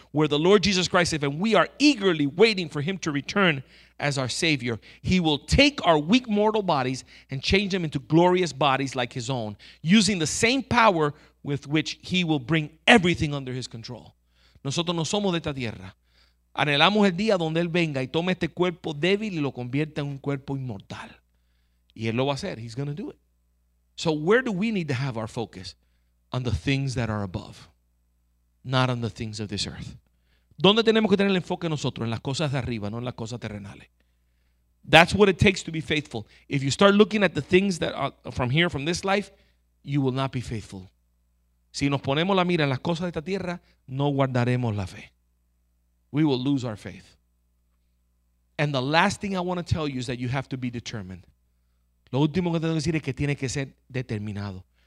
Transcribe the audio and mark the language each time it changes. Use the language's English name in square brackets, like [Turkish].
[English] where the Lord Jesus Christ is, and we are eagerly waiting for him to return as our Savior. He will take our weak mortal bodies and change them into glorious bodies like his own, using the same power with which he will bring everything under his control. [Spanish] Nosotros no somos de esta tierra. Anhelamos el día donde él venga y tome este cuerpo débil y lo convierta en un cuerpo inmortal. Y él lo va a hacer. [English] He's going to do it. So where do we need to have our focus? On the things that are above, not on the things of this earth. [Spanish] ¿Dónde tenemos que tener el enfoque nosotros? En las cosas de arriba, no en las cosas terrenales. [English] That's what it takes to be faithful. If you start looking at the things that are from here, from this life, you will not be faithful. [Spanish] Si nos ponemos la mira en las cosas de esta tierra, no guardaremos la fe. [English] We will lose our faith. And the last thing I want to tell you is that you have to be determined. [Spanish] Lo último que tengo que decir es que tiene que ser determinado.